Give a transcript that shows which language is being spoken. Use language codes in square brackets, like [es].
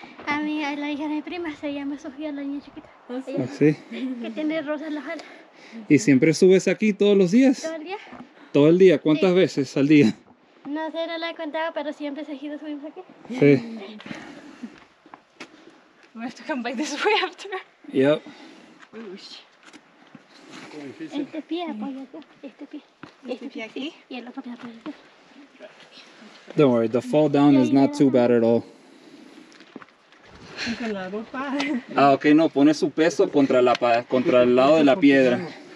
[es] A mí, la hija de mi prima se llama Sofía, la niña chiquita. Oh, sí. Que tiene rosas en las alas. ¿Y siempre subes aquí todos los días? Todo el día. ¿Todo el día? ¿Cuántas veces al día? No sé, no la he contado, pero siempre seguido subimos aquí. Sí. [en] We have to come back this way after. Yep. Uy. [es] Este pie, apoya este pie. Este pie aquí. Y el otro pie apoya aquí. [en] Don't worry, the fall down is not too bad at all. [es] Ah, okay, no, pone su peso contra el lado de la piedra.